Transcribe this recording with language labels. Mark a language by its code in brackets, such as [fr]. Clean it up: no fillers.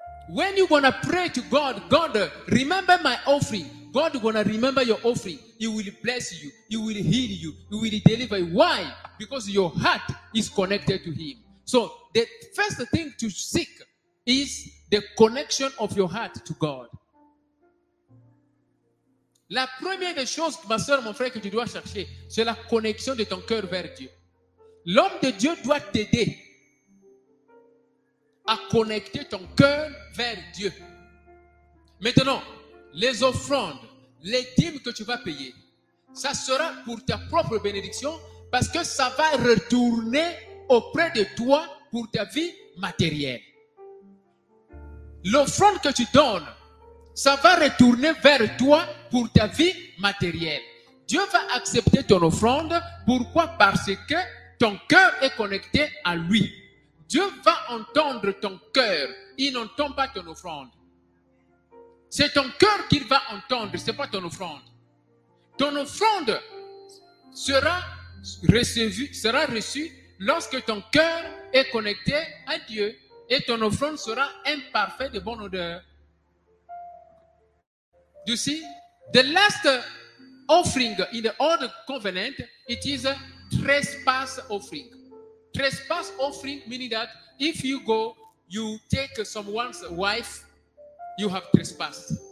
[en] When you're going to pray to God, God, remember my offering. God is going to remember your offering. He will bless you. He will heal you. He will deliver you. Why? Because your heart is connected to Him. So the first thing to seek is the connection of your heart to God. [fr] La première des choses, ma soeur, mon frère, que tu dois chercher, c'est la connexion de ton cœur vers Dieu. L'homme de Dieu doit t'aider à connecter ton cœur vers Dieu. Maintenant, les offrandes, les dîmes que tu vas payer, ça sera pour ta propre bénédiction parce que ça va retourner auprès de toi pour ta vie matérielle. L'offrande que tu donnes, ça va retourner vers toi pour ta vie matérielle. Dieu va accepter ton offrande. Pourquoi? Parce que ton cœur est connecté à lui. Dieu va entendre ton cœur. Il n'entend pas ton offrande. C'est ton cœur qu'il va entendre, ce n'est pas ton offrande. Ton offrande sera reçue lorsque ton cœur est connecté à Dieu et ton offrande sera imparfaite de bonne odeur. [en] You see, the last offering in the old covenant, it is a trespass offering. Trespass offering meaning that if you go, you take someone's wife, you have trespassed.